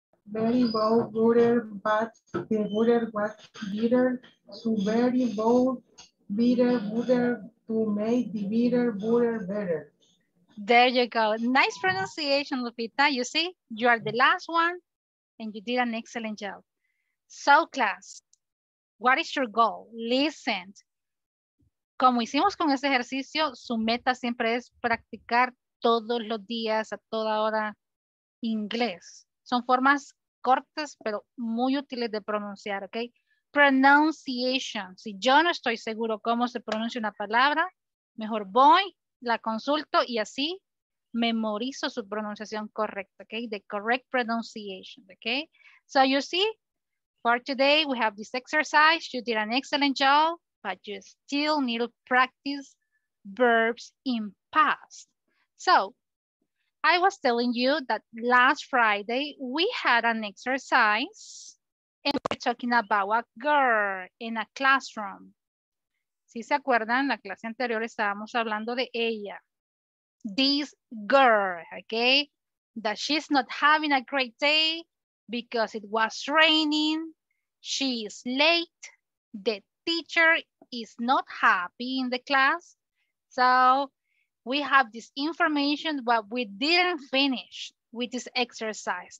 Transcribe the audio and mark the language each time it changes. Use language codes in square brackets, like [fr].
[en] Very bold butter, but the butter was bitter. So very bold bitter butter to make the bitter butter better. There you go. Nice pronunciation, Lupita. You see, you are the last one and you did an excellent job. So class, what is your goal? Listen. [es] Como hicimos con ese ejercicio, su meta siempre es practicar todos los días, a toda hora, inglés. Son formas cortas, pero muy útiles de pronunciar, ¿ok? Pronunciation. Si yo no estoy seguro cómo se pronuncia una palabra, mejor voy, la consulto y así memorizo su pronunciación correcta, ¿ok? [en] The correct pronunciation, ¿ok? So you see, for today we have this exercise. You did an excellent job. But you still need to practice verbs in past. So, I was telling you that last Friday we had an exercise and we're talking about a girl in a classroom. [es] Si se acuerdan, la clase anterior estábamos hablando de ella. [en] This girl, okay? That she's not having a great day because it was raining. She's late. The teacher is not happy in the class. So we have this information, but we didn't finish with this exercise.